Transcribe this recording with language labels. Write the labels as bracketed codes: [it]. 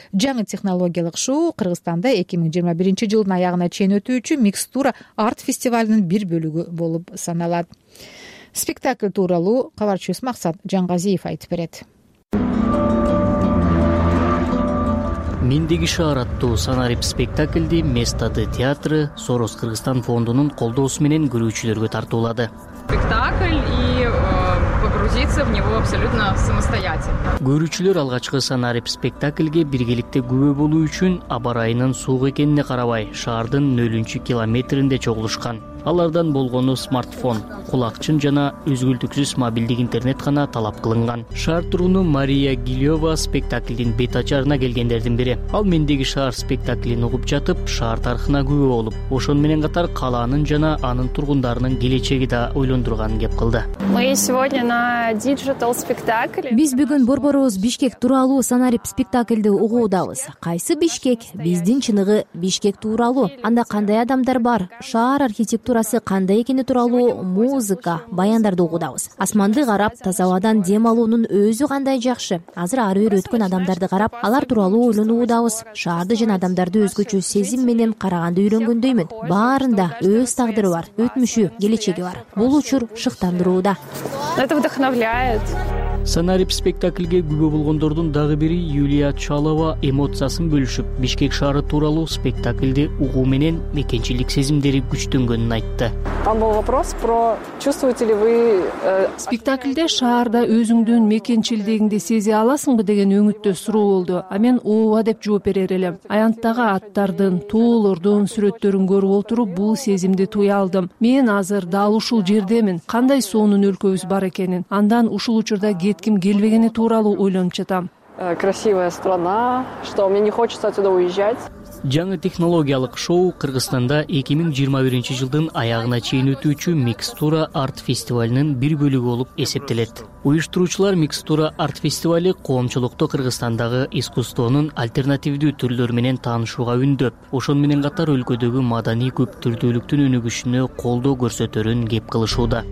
[ky] Жаңы технологиялык шоу Кыргызстанда 2021 жылдын аягына чейин өтүүчү Микстура арт фестивалинин бир бөлүгү болуп саналат. Спектакль тууралуу кабарчыбыз Максат Жангазиев айтып берет. Мендеги шаар аттуу санарип спектаклди Место Д театры Сорос Кыргызстан фондунун колдоосу менен көрүүчүлөргө тартуулады. [ru] Спектакль и погрузиться в него абсолютно самостоятельно. [ky] Көрүүчүлөр алгачкы санарип спектаклге биргеликте күбө болуу үчүн аба ырайынын суук экенине карабай шаардын 0-километринде чогулушкан. Алардан болгону смартфон, кулакчын жана үзгүлтүксүз мобилдик интернет гана талап кылынган. Шаар тургуну Мария Гилёва спектаклдин бет-ачарына келгендердин бири. Ал Мендеги шаар спектаклин угуп жатып, шаар тарыхына күбө болуп, ошон менен катар калаанын жана анын тургундарынын келечеги да ойлондурганын кеп кылды. [ru] Мы сегодня на диджитал спектакле. [ky] Биз бүгүн борборубуз Бишкек тууралуу санарип спектаклди угуудабыз. Кайсы Бишкек? Биздин чыныгы Бишкек тууралуу. Анда кандай адамдар бар? Шаар архитектурасы кандай экени тууралуу музыка, баяндарды угудабыз. Асманды карап, таза абадан дем алуунун өзү кандай жакшы. Азыр ар бир өткөн адамдарды карап, алар тууралуу ойлонуудабыз. Шаарды жана адамдарды өзгөчө сезим менен караганды үйрөнгөндөймүн. Баарында өз тагдыры бар, өтмүшү, келечеги бар. Бул учур шыктандырууда. [ru] Это вдохновляет. [ky] Санарип спектаклге күбө болгондордун дагы бири Юлия Чалова эмоциясын бөлүшүп, Бишкек шаары тууралуу спектаклди угуу менен мекенчилик сезимдери күчтөнгөнүн айтты. [ru] Там был вопрос про чувствуете ли вы [ky] спектаклде шаарда өзүңдүн мекенчилдигиңди сезе аласыңбы деген үмүттө суроо болду. А мен ооба деп жооп берер элем. Аянттагы аттардын, тоолордун сүрөттөрүн көрүп отуруп, бул сезимди туя алдым. Мен азыр дал ушул жердемин. Кандай сонун өлкөбүз бар экенин. Андан ушул учурда кетким келбегени тууралуу ойлонуп жатам. [ru] Красивая страна, что мне не хочется отсюда уезжать. [ky] Жаңы технологиялык шоу Кыргызстанда 2021 жылдын аягына чейин өтүүчү Микстура арт фестивалинин бир бөлүгү болуп эсептелет. Уюштуруучулар Микстура арт фестивали коомчулукту Кыргызстандагы искусствонун альтернативдүү түрлөрү менен таанышууга үндөп, ошон менен катар өлкөдөгү маданий көптүрдүүлүктүн өнүгүшүнө колдоо көрсөтөрүн кеп кылышууда.